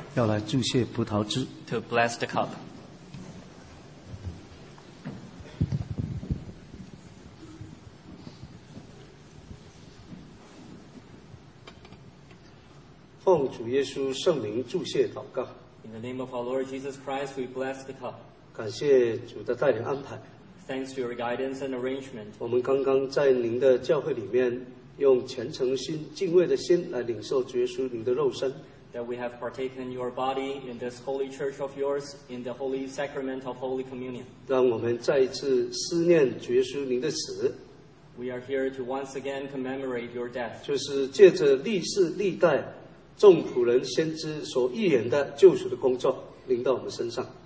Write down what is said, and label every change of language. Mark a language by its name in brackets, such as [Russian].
[Chinese] 要来祝谢葡萄汁。 [English] To bless the cup. [Chinese] 奉主耶稣圣名祝谢祷告。 [English] In the name of our Lord Jesus Christ, we bless the cup. [Chinese] 感谢主的带领安排。 [English] Thanks to your guidance and arrangement. [Chinese] 我们刚刚在您的教会里面用虔诚心敬畏的心来领受主耶稣您的肉身。 [English] That we have partaken your body in this holy church of yours in the holy sacrament of holy communion. [Chinese] 让我们再一次思念主耶稣您的死。 [English] We are here to once again commemorate your death. [Chinese] 就是借着历世历代众仆人先知所预言的救赎的工作临到我们身上。